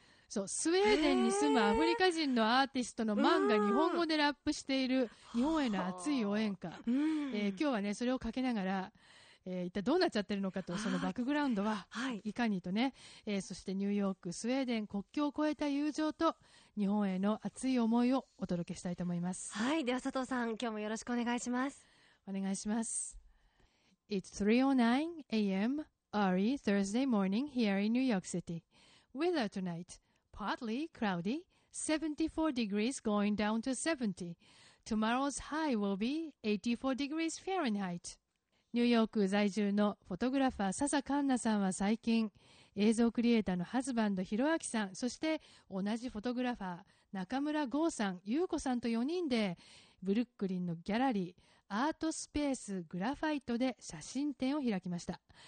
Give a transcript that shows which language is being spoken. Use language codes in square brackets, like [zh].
[ja] そう、スウェーデンに住むアフリカ人のアーティストのマンが日本語でラップしている日本への熱い応援歌、今日はね、それをかけながら、一体どうなっちゃってるのかと、そのバックグラウンドは、いかにとね、そしてニューヨーク、スウェーデン、国境を越えた友情と日本への熱い思いをお届けしたいと思います。はい、では佐藤さん、今日もよろしくお願いします。お願いします。 [en] It's 3:09 a.m. early Thursday morning here in New York City. Weather tonight. Partly cloudy, 74 degrees going down to 70. Tomorrow's high will be 84 degrees Fahrenheit. [ja] ニューヨーク在住のフォトグラファー笹カンナさんは最近、映像クリエイターのハズバンドヒロアキさん、そして同じフォトグラファー中村豪さん、優子さんと4人で、ブルックリンのギャラリーアートスペースグラファイトで写真展を開きました。